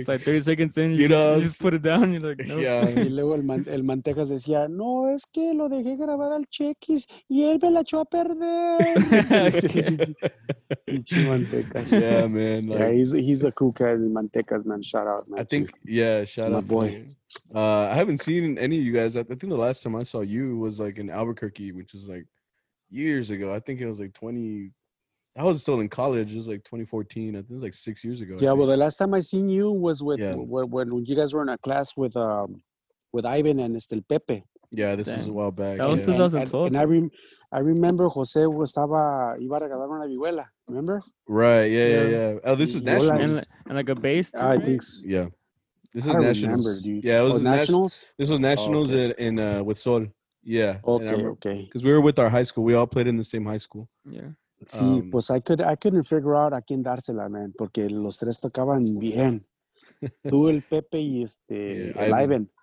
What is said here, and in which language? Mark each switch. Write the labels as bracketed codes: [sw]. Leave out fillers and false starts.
[en] It's like 30 seconds in, you just put it down, you're like, no. Yeah. [es] Y luego el Mantejas decía, no, es que lo dejé grabar al Chequis y él me la echó a perder. Pinche Mantejas. [en] Yeah, man. Like, yeah, he's a cool guy, el Mantejas, man. Shout out, man. I think, shout out. My boy. I haven't seen any of you guys. I think the last time I saw you was like in Albuquerque, which was like years ago. I think it was like 20. I was still in college. It was like 2014. I think it was like 6 years ago. Yeah. Well, the last time I seen you was with when you guys were in a class with Ivan and Estel Pepe. Yeah, this was a while back. That was 2012. And I remember Jose [es] estaba iba a regalar una vihuela. [en] Remember? Right. Yeah. Oh, this is national. And like a bass. I think. So. Yeah. This is Nationals. Remember, yeah, it was Nationals. This was Nationals in with Sol. Yeah. Okay. Because we were with our high school. We all played in the same high school. Yeah. [es] Sí, pues [en] I couldn't figure out [es] a quién dársela, man, porque los tres tocaban bien. Tú, el Pepe, y Ivan.